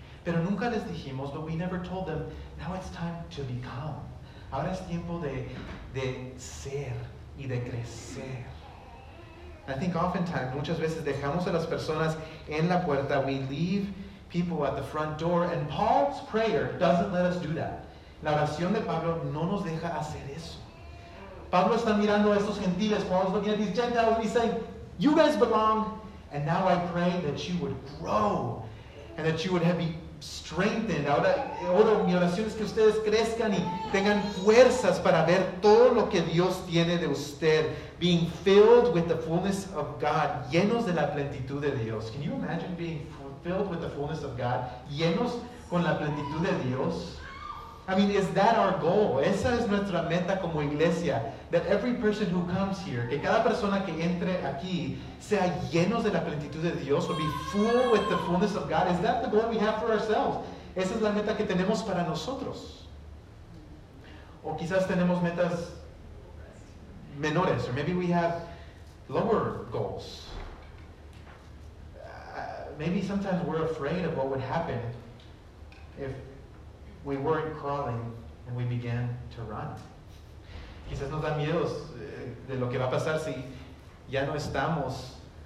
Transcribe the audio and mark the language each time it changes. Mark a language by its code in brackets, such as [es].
[es] Pero nunca les dijimos, [en] but we never told them, now it's time to become. [es] Ahora es tiempo de ser y de crecer. [en] I think oftentimes, [es] muchas veces dejamos a las personas en la puerta. [en] We leave people at the front door, and Paul's prayer doesn't let us do that. [es] La oración de Pablo no nos deja hacer eso. Pablo está mirando a estos gentiles. [en] Paul's looking at these Gentiles, and he's saying, you guys belong, and now I pray that you would grow, and that you would have been strengthened. [es] Ahora mi oración es que ustedes crezcan y tengan fuerzas para ver todo lo que Dios tiene de usted. [en] Being filled with the fullness of God, [es] llenos de la plenitud de Dios. [en] Can you imagine being filled with the fullness of God, [es] llenos con la plenitud de Dios? [en] I mean, is that our goal? [es] Esa es nuestra meta como iglesia, [en] that every person who comes here, [es] que cada persona que entre aquí sea llenos de la plenitud de Dios, [en] or be full with the fullness of God. Is that the goal we have for ourselves? [es] Esa es la meta que tenemos para nosotros. O quizás tenemos metas menores, [en] or maybe we have lower goals. Maybe sometimes we're afraid of what would happen if we weren't crawling and we began to run. [es] Quizás nos da miedo de lo que va a pasar si ya no estamos